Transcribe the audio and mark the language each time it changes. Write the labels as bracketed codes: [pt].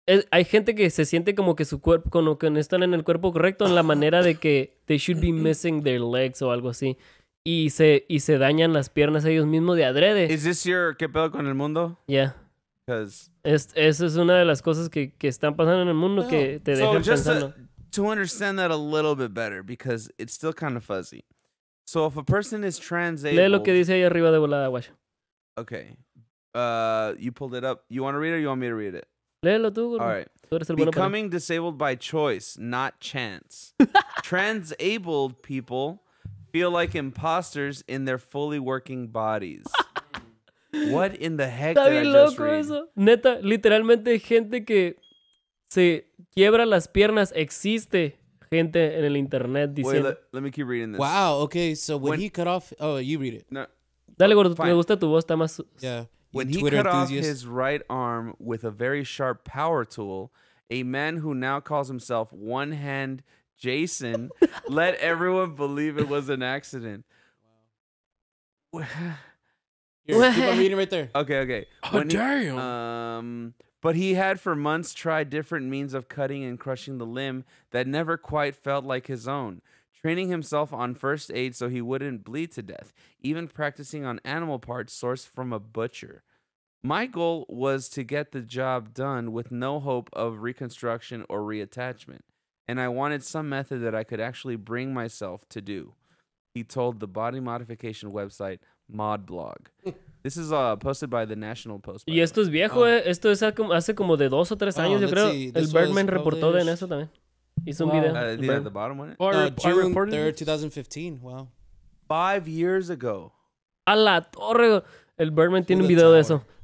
[es] Hay gente que se siente como que su cuerpo, como que no están en el cuerpo correcto en la manera de que [en] they should be missing their legs [es] o algo así. Y se dañan las piernas ellos mismos de adrede. [en] Is this your [es] qué pedo con el mundo? [en] Yeah. Because [es] esa es una de las cosas que están pasando en el mundo que te dejan pensando. [en] So just [es] pensando. [en] To to understand that a little bit better because it's still kind of fuzzy. So if a person is trans-abled... [es] Lee lo que dice ahí arriba de volada, guacho. [en] Okay. You pulled it up. You want to read it or you want me to read it? [es] Léelo tú, güey. [en] All right. Becoming disabled by choice, not chance. Trans-abled people feel like imposters in their fully working bodies. What in the heck [es] está [en] did I just [es] loco [en] read? [es] Eso. Neta, literalmente gente que se quiebra las piernas. Existe gente en el internet diciendo... [en] Wait, let me keep reading this. Wow, okay, so when he cut off... Oh, you read it. [es] No. Dale, gordo, me gusta tu voz, está más... [en] Yeah. When he cut off his right arm with a very sharp power tool, a man who now calls himself One Hand Jason let everyone believe it was an accident. Wow. Here, keep on reading right there. Okay, okay. When oh, damn. But he had for months tried different means of cutting and crushing the limb that never quite felt like his own. Training himself on first aid so he wouldn't bleed to death, even practicing on animal parts sourced from a butcher. My goal was to get the job done with no hope of reconstruction or reattachment, and I wanted some method that I could actually bring myself to do, he told the body modification website Modblog. This is posted by the National Post. [es] Y esto es viejo, oh. Esto es hace como de dos o tres años, yo creo. El Birdman reportó de en eso también. Hizo wow. Un video. [en] The bottom one? Or June 3rd, 2015. Wow. 5 years ago. [es] A la torre. El Birdman tiene un video tower. De eso.